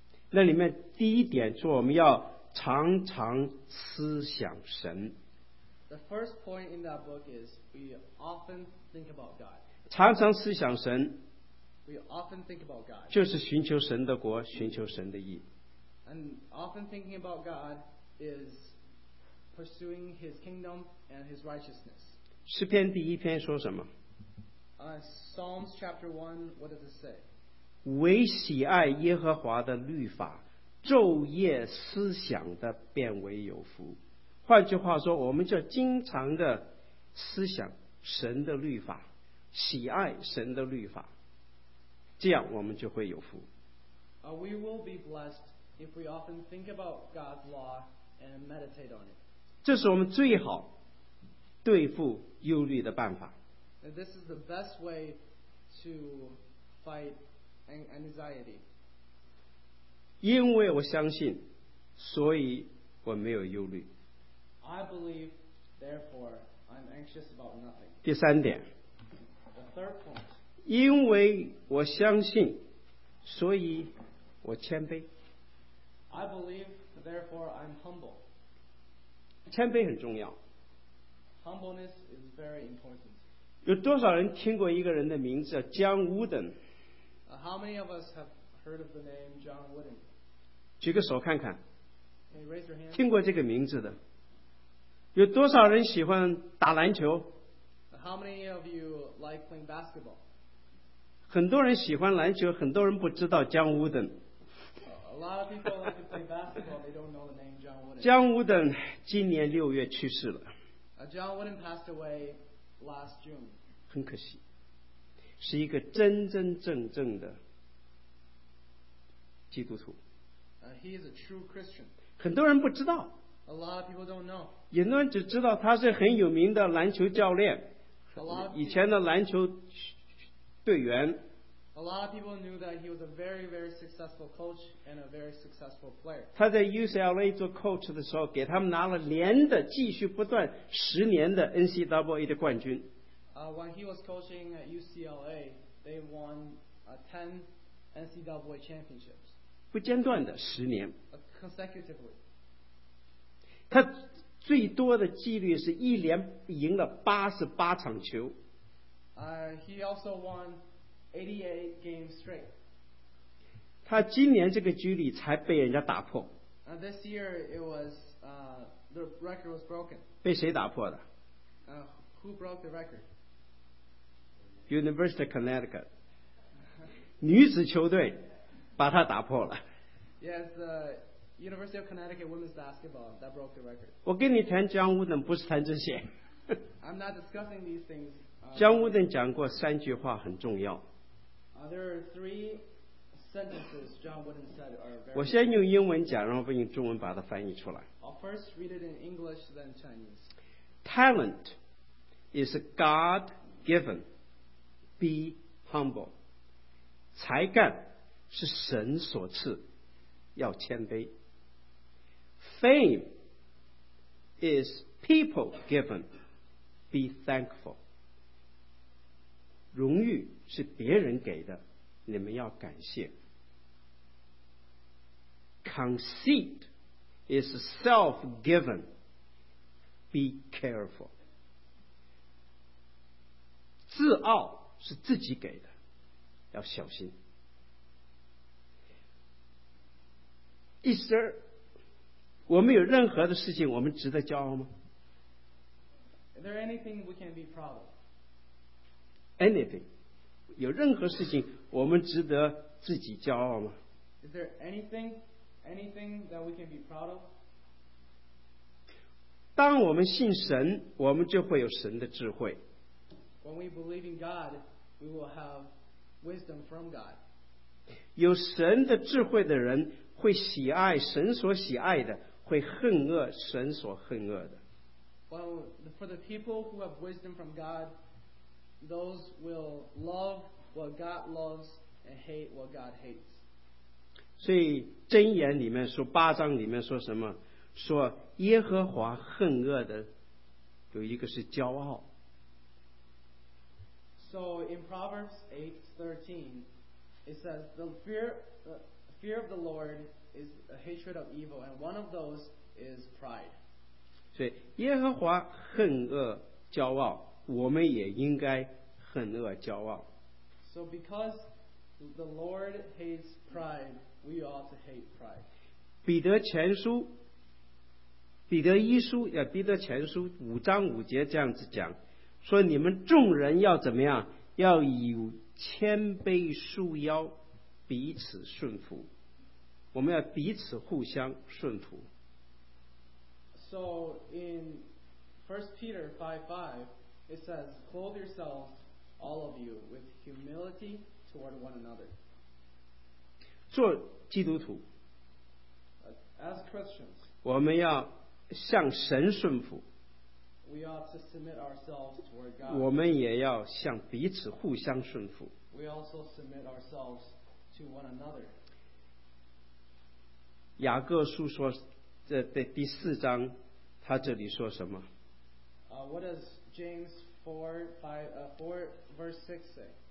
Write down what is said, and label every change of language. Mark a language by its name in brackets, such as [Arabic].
[Chinese] 那里面第一点说我们要常常思想神。 [English] The first point in that book is we often think about God. [Chinese] 常常思想神。 [English] We often think about God. [Chinese] 就是寻求神的国，寻求神的义。 [English] And often thinking about God is pursuing His kingdom and His righteousness. [Chinese] 诗篇第一篇说什么？ [English] Psalms chapter 1, what does it say? [Chinese] 唯喜爱耶和华的律法，昼夜思想的变为有福。换句话说，我们就经常的思想神的律法，喜爱神的律法，这样我们就会有福。 [English] We will be blessed if we often think about God's law and meditate on it. [Chinese] 这是我们最好对付忧虑的办法。 [English] This is the best way to fight anxiety. [Chinese] 因为我相信，所以我没有忧虑。 [English] I believe, therefore, I'm anxious about nothing. [Chinese] 第三点。 [English] The third point. [Chinese] 因为我相信，所以我谦卑。 [English] I believe, therefore, I'm humble. [Chinese] 谦卑很重要。 [English] Humbleness is very important. [Chinese] 有多少人听过一个人的名字叫John Wooden? [English] How many of us have heard of the name John Wooden? [Chinese] 举个手看看。 [English] Can you raise your hand? [Chinese] 听过这个名字的有多少人喜欢打篮球？ [English] How many of you like playing basketball? [Chinese] 很多人喜欢篮球，很多人不知道John Wooden。 [English] A lot of people like to play basketball, they don't know the name John Wooden. [Chinese] John Wooden 今年六月去世了。 [English] John Wooden passed away last June. [Chinese] 很可惜，是一个真真正正的基督徒。 [English] He is a true Christian. [Chinese] 很多人不知道。 [English] A lot of people don't know. [Chinese] 很多人只知道他是很有名的篮球教练。以前的篮球队员。 [English] A lot of people knew that he was a very, very successful coach and a very successful player. [Chinese] 他在 UCLA 做 coach 的时候，给他们拿了连的继续不断十年的 NCAA 的冠军。 [English] When he was coaching at UCLA, they won 10 NCAA championships. [Chinese] 不间断的十年。 [English] Consecutively. [Chinese] 他最多的纪律是一连赢了88场球。 [English] He also won 88 games straight. [Chinese] 他今年这个纪律才被人家打破。 [English] This year it was, the record was broken. [Chinese] 被谁打破的？ [English] Who broke the record? [Chinese] University of Connecticut 女子球队把它打破了。 [English] Yes, the University of Connecticut women's basketball that broke the record. [Chinese] 我跟你谈江武等，不是谈这些。 [English] I'm not discussing these things. [Chinese] 江武等讲过三句话很重要。 [English] There are three sentences John Wooden said are very. [Chinese] 我先用英文讲，然后用中文把它翻译出来。 [English] I'll first read it in English, then Chinese. Talent is God given. Be humble. [Chinese] 才干是神所赐，要谦卑。 [English] Fame is people given. Be thankful. [Chinese] 荣誉是别人给的，你们要感谢。 [English] Conceit is self given. Be careful. [Chinese] 自傲是自己给的，要小心。一生我们有任何的事情我们值得骄傲吗？ [English] Is there anything we can be proud of? [Chinese] Anything 有任何事情我们值得自己骄傲吗？ [English] Is there anything that we can be proud of? [Chinese] 当我们信神，我们就会有神的智慧。 [English] When we believe in GodWe will have wisdom from God. [Chinese] 有神的智慧的人会喜爱神所喜爱的，会恨恶神所恨恶的。 [English] Well, for the people who have wisdom from God, those will love what God loves and hate what God hates. [Chinese] 所以箴言里面说，八章里面说什么？说耶和华恨恶的有一个是骄傲。 [English] So in Proverbs 8:13, it says, the fear of the Lord is a hatred of evil, and one of those is pride. [Chinese] 所以耶和华恨恶骄傲，我们也应该恨恶骄傲。 [English] So because the Lord hates pride, we ought to hate pride. [Chinese] 彼得前书，彼得一书，彼得前书五章五节这样子讲。说你们众人要怎么样？要以谦卑束腰，彼此顺服。我们要彼此互相顺服。 [English] So in 1 Peter 5:5, it says, "Clothe yourselves, all of you, with humility toward one another." [Chinese] 做基督徒。 [English] As Christians. [Chinese] 我们要向神顺服。 [English] We ought to submit ourselves toward God. [Chinese] 我们也要向彼此互相顺服。 [English] We also submit ourselves to one another. [Chinese] 雅各书说，这第四章，他这里说什么？ [English] What does James 4 verse 6 say?